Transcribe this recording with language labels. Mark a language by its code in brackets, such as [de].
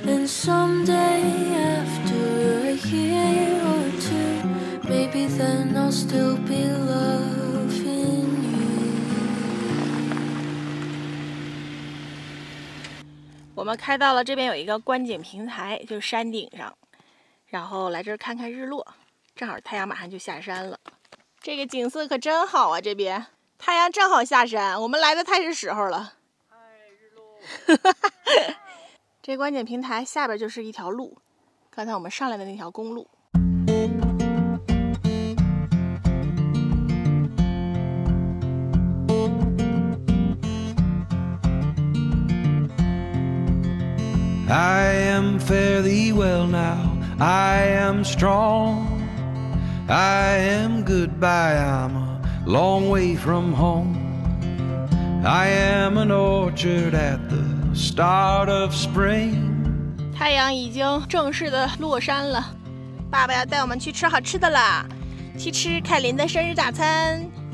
[en] Someday after a year or two, maybe then I'll still be loving you. [zh] 我们开到了这边有一个观景平台，就是山顶上，然后来这儿看看日落，正好太阳马上就下山了。这个景色可真好啊，这边太阳正好下山，我们来的太是时候了。这观景平台下边就是一条路，刚才我们上来的那条公路。 [en] I am fairly well now, I am strong, I am goodbye, I'm aLong way from home. I am an orchard at the start of spring. [zh] 太阳已经正式的落山了，爸爸要带我们去吃好吃的了，去吃凯琳的生日大餐。